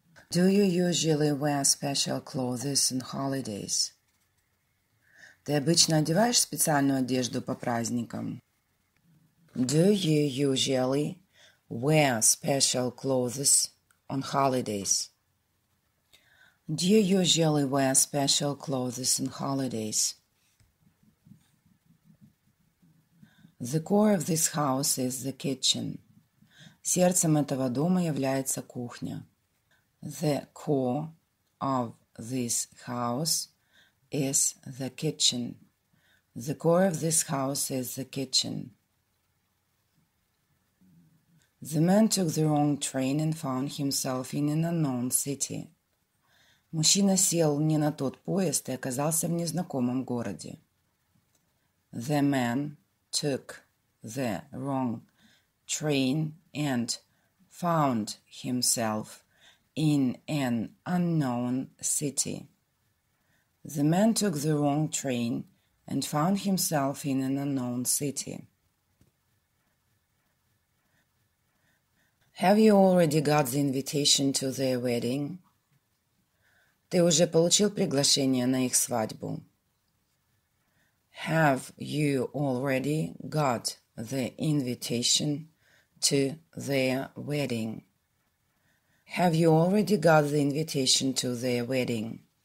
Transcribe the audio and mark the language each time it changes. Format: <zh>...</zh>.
<en>Do you usually wear special clothes on holidays?</en> <ru>Ты обычно одеваешь специальную одежду по праздникам?</ru> <en>Do you usually wear special clothes on holidays? Do you usually wear special clothes on holidays? The core of this house is the kitchen.</en> <ru>Сердцем этого дома является кухня.</ru> <en>The core of this house is the kitchen. The core of this house is the kitchen. The man took the wrong train and found himself in an unknown city.</en> <ru>Мужчина сел не на тот поезд и оказался в незнакомом городе.</ru> <en>The man took the wrong train and found himself in an unknown city. The man took the wrong train and found himself in an unknown city. Have you already got the invitation to their wedding?</en> <ru>Ты уже получил приглашение на их свадьбу?</ru> <en>Have you already got the invitation to their wedding? Have you already got the invitation to their wedding?</en>